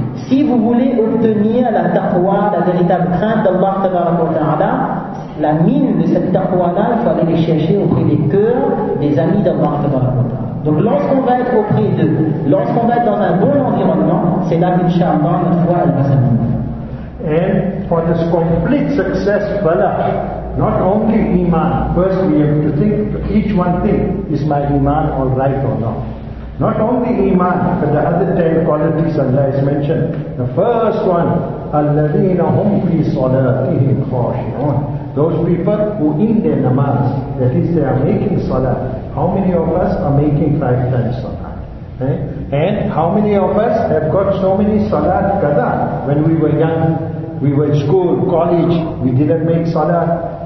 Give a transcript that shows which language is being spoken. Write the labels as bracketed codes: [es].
[fr] Si vous voulez obtenir la taqwa, la véritable crainte d'Allah Ta'ala, la mine de cette taqwa-là, il faut aller les chercher auprès des cœurs des amis d'Allah Ta'ala. Donc lorsqu'on va être auprès d'eux, lorsqu'on va être dans un bon environnement, c'est là qu'Inch'Allah, notre foi, elle va s'améliorer. [en] And for this complete success, voilà, not only iman, first we have to think, each one thing, is my iman all right or not? Not only iman, but the other 10 qualities Allah has mentioned. The first one, [ar] الَّذِينَ هُمْ فِي صَلَاتِهِمْ خَاشِعُونَ. [en] Those people who in their namaz, that is, they are making salah. How many of us are making 5 times salah? Okay? And how many of us have got so many salat qada? When we were young, we were in school, college, we didn't make salah.